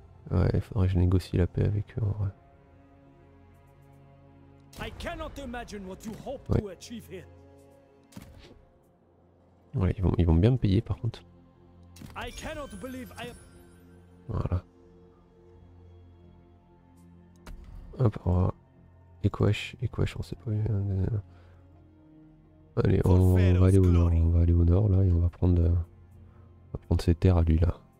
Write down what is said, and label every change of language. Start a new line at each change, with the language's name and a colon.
French: Ouais, il faudrait que je négocie la paix avec eux en vrai.
English: I cannot imagine what you hope to achieve here.
French: Ouais, ils vont bien me payer par contre.
English: I cannot believe I... Voilà.
French: Hop, on va. Equash, on sait pas. Allez, on va aller au nord là et on va prendre ses terres à lui là.